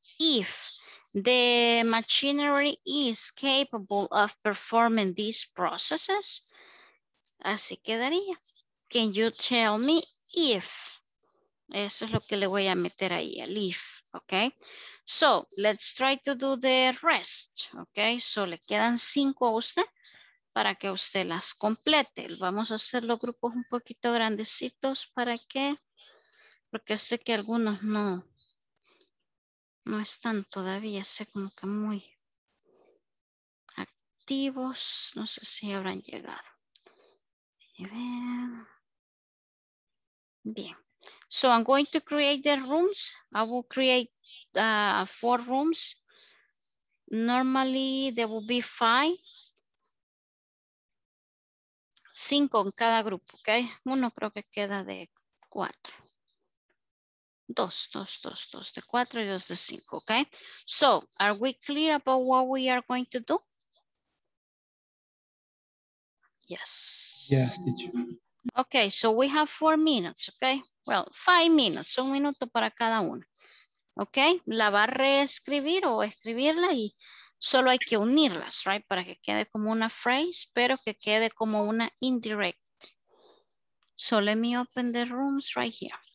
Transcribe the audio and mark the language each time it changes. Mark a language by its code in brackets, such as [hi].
[en] If the machinery is capable of performing these processes. [es] Así quedaría. [en] Can you tell me if? [es] Eso es lo que le voy a meter ahí, el if, ok. [en] So, let's try to do the rest, ok. [es] So, le quedan cinco a usted para que usted las complete. Vamos a hacer los grupos un poquito grandecitos, ¿para qué? Porque sé que algunos no están todavía, sé como que muy activos, no sé si habrán llegado. [en] Bien, so I'm going to create the rooms. I will create four rooms. Normally there will be five. [es] Cinco en cada grupo, ¿ok? Uno creo que queda de cuatro. Dos de cuatro y dos de cinco, ¿ok? [en] So, are we clear about what we are going to do? Yes. Yes, teacher. Okay, so we have 4 minutes, ¿ok? Well, 5 minutes, [es] un minuto para cada uno. [en] ¿Ok? [es] La va a reescribir o escribirla y... solo hay que unirlas, right? Para que quede como una phrase, pero que quede como una indirect. [en] So let me open the rooms right here.